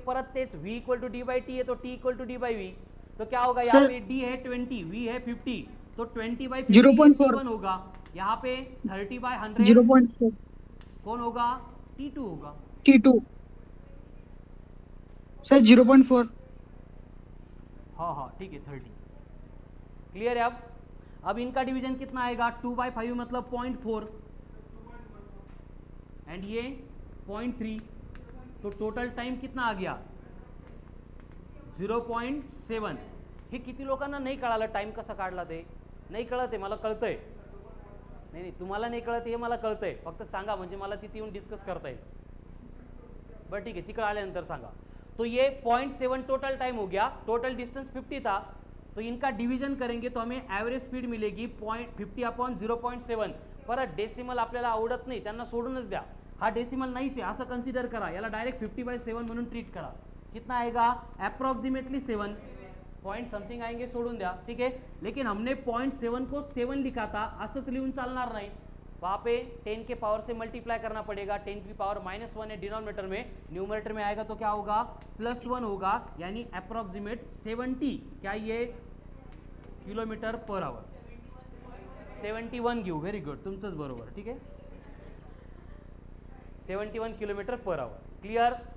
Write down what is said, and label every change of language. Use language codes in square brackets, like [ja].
[mr] परत तेच, V equal to D bye T आहे, तो T equal to D by V. [hi] तो क्या होगा, यहाँ पे डी है 20, व्ही है 50, तो 20/50 होगा. यहाँ पे 30/100 कौन होगा, टी टू होगा. T to sir 0.4. हाँ ठीक है, 30. क्लियर है? अब इनका डिवीजन कितना आएगा, 2/5 मतलब 0.4 एंड ये 0.3, तो टोटल टाइम कितना आ गया, 0.7. [mr] हे किती लोकांना नाही कळालं टाइम कसं काढला ते, नाही कळत आहे मला, कळतंय. नाही नाही तुम्हाला नाही कळत हे मला कळतंय, फक्त सांगा म्हणजे मला तिथे येऊन डिस्कस करता येईल. बरं ठीक आहे, तिकडे आल्यानंतर सांगा. [hi] तो ये 0.7 टोटल टाइम हो गया, टोटल डिस्टन्स 50 था. तो इनका डिवीजन करेंगे तो हमें ॲव्हरेज स्पीड मिलेगी 0.50/0.7. [mr] परत डेसिमल आपल्याला आवडत नाही, त्यांना सोडूनच द्या, हा डेसिमल नाहीच आहे असं कन्सिडर करा, याला डायरेक्ट 50/7 म्हणून ट्रीट करा. [hi] कितना आएगा, अप्रॉक्सिमेटली 7 point something आएंगे, [mr] सोडून द्या, ठीक आहे. [hi] लेकिन हमने 0.7 को 7 लिखा था, [mr] असंच लिहून चालणार नाही. [hi] वापे 10 के पावर से मल्टीप्लाई करना पड़ेगा, 10 की पावर -1 है डिनोमिनेटर में, न्यूमरेटर में आएगा तो क्या होगा, +1 होगा, यानी अप्रॉक्सीमेट 70, क्या ये किलोमीटर पर आवर 71 घेऊ, व्हेरी गुड, [mr] तुमचंच बरोबर, [hi] ठीक है, 71 किलोमीटर पर आवर. क्लियर?